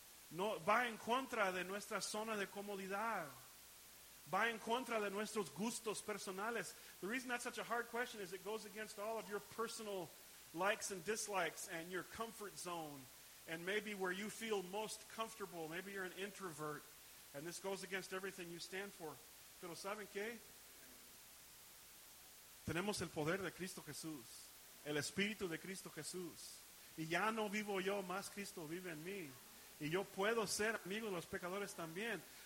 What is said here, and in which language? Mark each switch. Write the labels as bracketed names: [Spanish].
[Spanish] No va en contra de nuestra zona de comodidad. Va en contra de nuestros gustos personales. [English] The reason that's such a hard question is it goes against all of your personal likes and dislikes and your comfort zone and maybe where you feel most comfortable. Maybe you're an introvert and this goes against everything you stand for. [Spanish] Pero ¿saben qué? Tenemos el poder de Cristo Jesús, el Espíritu de Cristo Jesús. Y ya no vivo yo, más Cristo vive en mí. Y yo puedo ser amigo de los pecadores también.